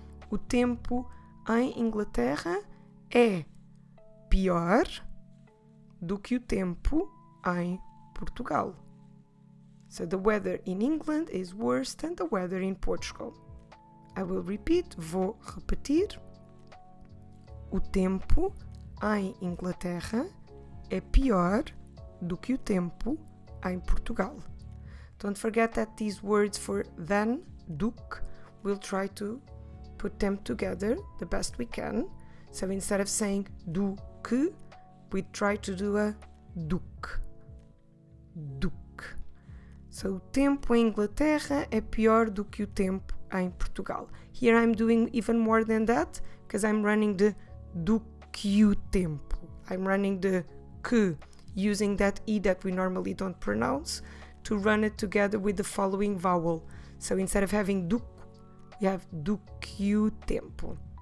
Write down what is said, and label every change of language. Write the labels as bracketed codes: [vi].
[pt] O tempo em Inglaterra é pior do que o tempo em Portugal. [en] So the weather in England is worse than the weather in Portugal. I will repeat, [pt] vou repetir. O tempo em Inglaterra é pior do que o tempo em Portugal. [en] Don't forget that these words for than, do, we'll try to put them together the best we can. So instead of saying do que, we try to do a do que. Do que. [pt] So o tempo em Inglaterra é pior do que o tempo em Portugal. [en] Here I'm doing even more than that, because I'm running the do que o tempo. I'm running the que, using that E that we normally don't pronounce, to run it together with the following vowel. So instead of having do, we have do que o tempo.